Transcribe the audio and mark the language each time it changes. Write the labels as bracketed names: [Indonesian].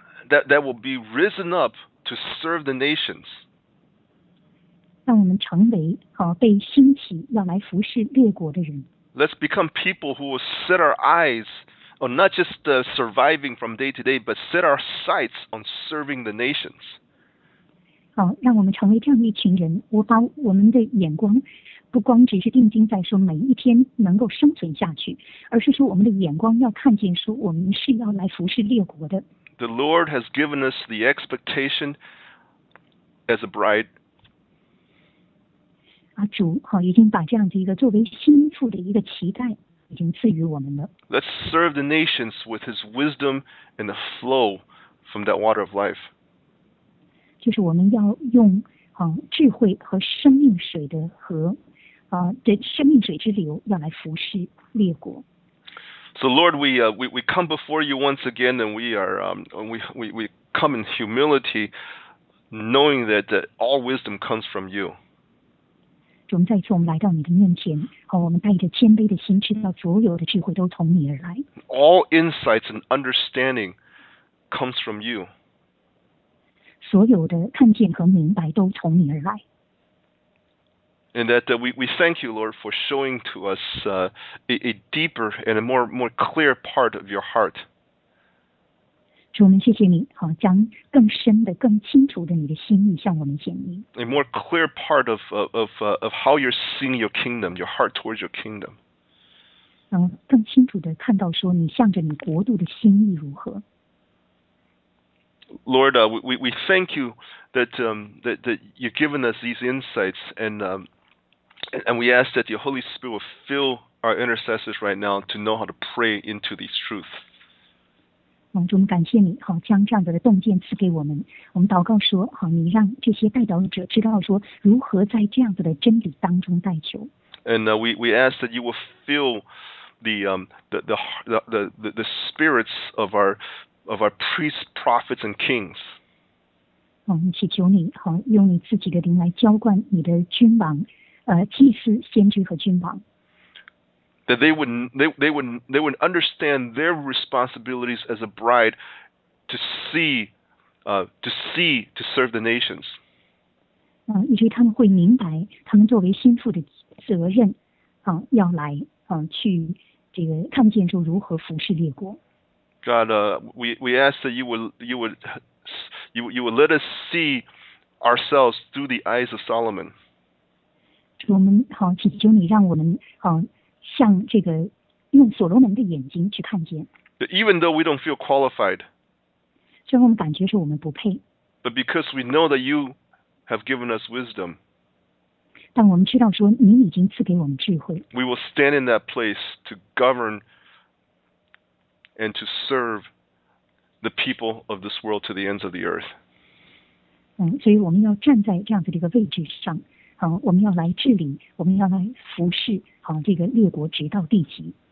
[English] That will be risen up to serve the nations. [Chinese] 让我们成为被兴起要来服侍列国的人。 [English] Let's become people who will set our eyes on not just surviving from day to day, but set our sights on serving the nations. [Chinese] 让我们成为这样一群人，我把我们的眼光。不光只是定睛在说每一天能够生存下去，而是说我们的眼光要看见说我们是要来服侍列国的。 [English] The Lord has given us the expectation as a bride. [Chinese] 主已经把这样的一个作为心腹的一个期待已经赐予我们了。 [English] Let's serve the nations with his wisdom and the flow from that water of life. [Chinese] 就是我们要用智慧和生命水的河的生命水之流要来服侍列国。 [English] So Lord, we come before you once again, and we are we come in humility, knowing that all wisdom comes from you. [Chinese] 我们再次我们来到你的面前，我们带着谦卑的心，知道所有的智慧都从你而来。 [English] All insights and understanding comes from you. [Chinese] 所有的看见和明白都从你而来。 [English] And that we thank you, Lord, for showing to us a deeper and a more clear part of your heart. [Chinese] 主，我们谢谢你，将更深的、更清楚的你的心意向我们显明。 [English] A more clear part of how you're seeing your kingdom, your heart towards your kingdom. [Chinese] 更清楚的看到说你向着你国度的心意如何。 [English] Lord, we thank you that you've given us these insights and we ask that your Holy Spirit will fill our intercessors right now to know how to pray into these truths. [Chinese] 我们感谢你，将这样子的洞见赐给我们。我们祷告说，你让这些代祷者知道说如何在这样子的真理当中代求。 [English] And we ask that you will fill the spirits of our priests, prophets, and kings. [Chinese] 祈求你，用你自己的灵来浇灌你的君王。祭司、先知和君王 [English] ，that they would understand their responsibilities as a bride to serve the nations. [Chinese] 以至于他们会明白，他们作为心腹的责任，要来去这个看见说如何服侍列国。 [English] God, we ask that you would let us see ourselves through the eyes of Solomon. [Chinese] 我们祈求你让我们像这个用所罗门的眼睛去看见。 [English] Even though we don't feel qualified, [Chinese] 虽然我们感觉说我们不配。 [English] But because we know that you have given us wisdom, [Chinese] 但我们知道说你已经赐给我们智慧。 [English] We will stand in that place to govern and to serve the people of this world to the ends of the earth. [Chinese] 所以我们要站在这样子的一个位置上，我们要来治理，我们要来服侍，这个列国直到地极。